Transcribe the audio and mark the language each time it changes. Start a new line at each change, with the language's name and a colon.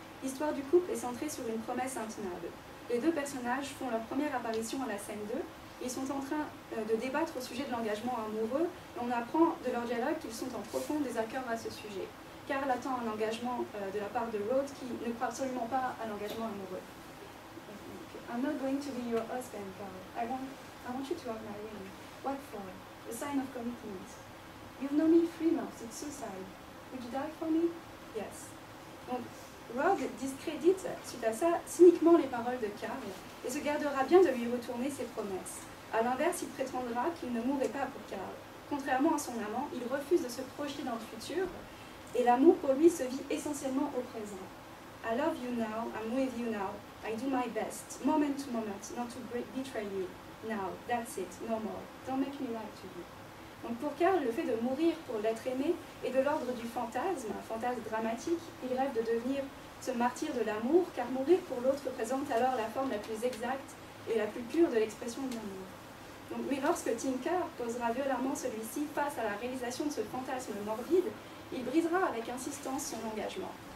French: L'histoire du couple est centrée sur une promesse intenable. Les deux personnages font leur première apparition à la scène 2, ils sont en train de débattre au sujet de l'engagement amoureux, et on apprend de leur dialogue qu'ils sont en profond désaccord à ce sujet. Carl attend un engagement de la part de Rhodes qui ne croit absolument pas à l'engagement amoureux.
English: I'm not going to be your husband, Carl. I want you to have my ring. What for? A sign of commitment. You've known me 3 months, it's suicide. Would you die for me? Yes.
French: Donc, Rhodes discrédite, suite à ça, cyniquement les paroles de Carl et se gardera bien de lui retourner ses promesses. A l'inverse, il prétendra qu'il ne mourrait pas pour Carl. Contrairement à son amant, il refuse de se projeter dans le futur. Et l'amour pour lui se vit essentiellement au présent.
English: I love you now, I'm with you now, I do my best, moment to moment, not to betray you. Now, that's it, no more, don't make me lie to you.
French: Donc pour Carl, le fait de mourir pour l'être aimé est de l'ordre du fantasme, un fantasme dramatique. Il rêve de devenir ce martyr de l'amour, car mourir pour l'autre représente alors la forme la plus exacte et la plus pure de l'expression de l'amour. Donc, mais lorsque Tinker posera violemment celui-ci face à la réalisation de ce fantasme morbide, il brisera avec insistance son engagement.